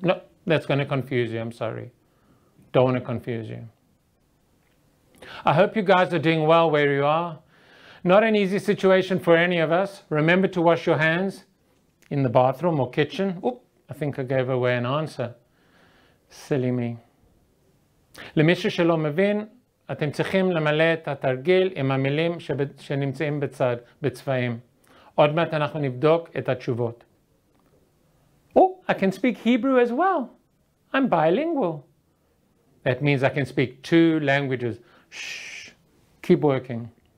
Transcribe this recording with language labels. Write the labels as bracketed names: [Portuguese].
[English] No, that's going to confuse you. I'm sorry. Don't want to confuse you. I hope you guys are doing well where you are. Not an easy situation for any of us. Remember to wash your hands. In the bathroom or kitchen. Oop, I think I gave away an answer. Silly me. [Hebrew] למישהו שלא מבין, אתם צריכים למלא את התרגיל עם המילים שנמצאים בצד, בצבעים. עוד מעט אנחנו נבדוק את התשובות. [English] Oh, I can speak Hebrew as well. I'm bilingual. That means I can speak two languages. Shh, keep working.